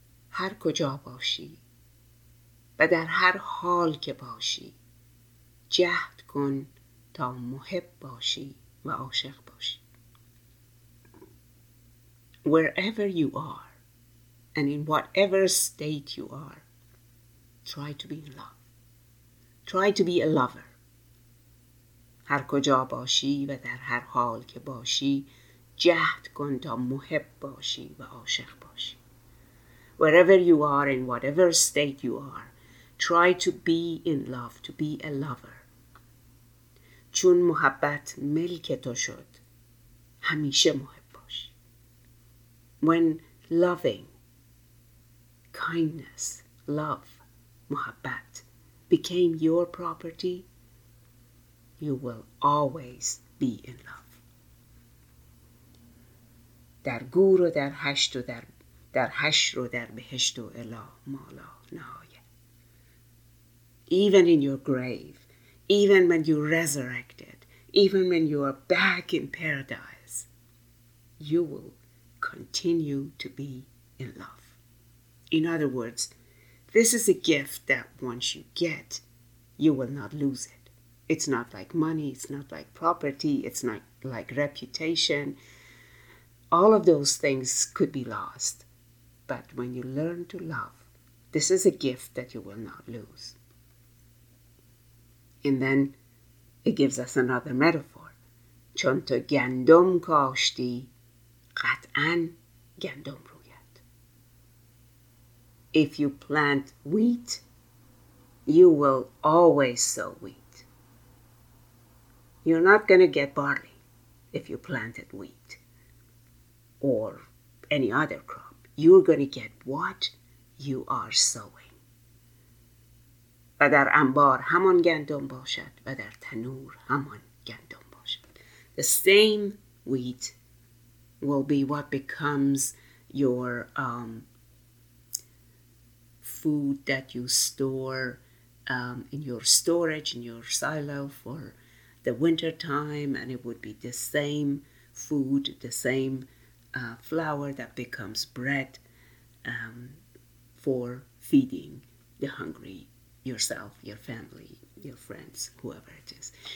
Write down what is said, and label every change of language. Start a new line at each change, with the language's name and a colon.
Persian: هر کجا باشی و در هر حال که باشی جهد کن تا محب باشی و عاشق باشی.
English: Wherever you are, and in whatever state you are, try to be in love. Try to be a lover.
Persian: هر کجا باشی و در هر حال که باشی جهد کن تا محب باشی و عاشق باشی.
English: Wherever you are, in whatever state you are, try to be in love, to be a lover.
Persian: چون محبت ملک تو شد همیشه محب.
English: When loving, kindness, love, muhabbat, became your property, you will always be in love.
Persian: در گور و در هشت و در هشت و در بهشت و الا مالا نهایه.
English: Even in your grave, even when you resurrected, even when you are back in paradise, you will continue to be in love. In other words, this is a gift that once you get, you will not lose it. It's not like money, it's not like property, it's not like reputation. All of those things could be lost. But when you learn to love, this is a gift that you will not lose. And then it gives us another metaphor.
Persian: چون تو گندم کاشتی قطعاً گندم روید.
English: If you plant wheat, you will always sow wheat. You're not going to get barley. if you planted wheat or any other crop. You're going to get what you are sowing.
Persian: و در انبار همان گندم باشد و در تنور همان گندم باشد.
English: The same wheat will be what becomes your food that you store in your storage, in your silo for the winter time, and it would be the same food, the same flour that becomes bread for feeding the hungry, yourself, your family, your friends, whoever it is.